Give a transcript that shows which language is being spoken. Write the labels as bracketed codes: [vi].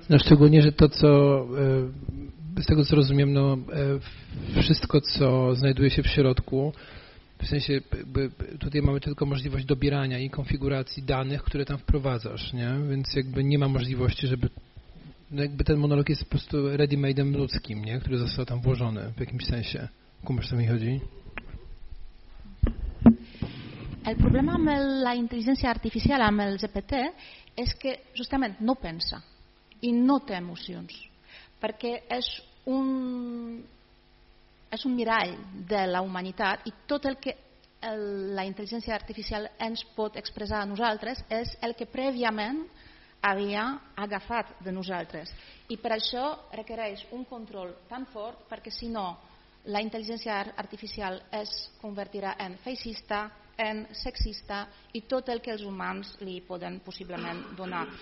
[pl] No szczególnie, że to, co z tego co rozumiem, no wszystko, co znajduje się w środku, w sensie tutaj mamy tylko możliwość dobierania i konfiguracji danych, które tam wprowadzasz, nie? Więc jakby nie ma możliwości, żeby ten monolog jest po prostu ready-made'em ludzkim, nie? Który został tam włożony w jakimś sensie. Kumasz, co mi chodzi? [es] El problema de la inteligencia artificial, con el GPT, es que justamente no pensa y no te emociones, porque es [ca] és un mirall de la humanitat i tot el que la intel·ligència artificial ens pot expressar a nosaltres és el que prèviament havia agafat de nosaltres. I per això requereix un control tan fort, perquè si no la intel·ligència artificial es convertirà en feixista, en sexista i tot el que els humans li poden possiblement donar.